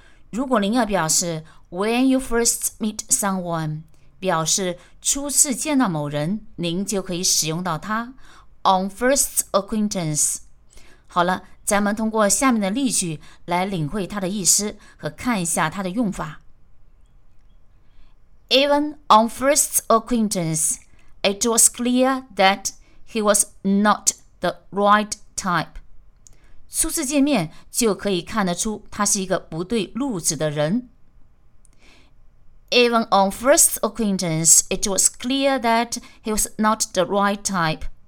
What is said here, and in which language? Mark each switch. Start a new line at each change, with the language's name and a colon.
Chinese: 如果您要表示
English: when you first meet someone，
Chinese: 表示初次见到某人，您就可以使用到它
English: on first acquaintance。
Chinese: 好了，咱们通过下面的例句来领会它的意思和看一下它的用法。
English: Even on first acquaintance, it was clear that he was not the right type.
Chinese: 初次见面就可以看得出他是一个不对路子的人。
English: Even on first acquaintance, it was clear that he was not the right type.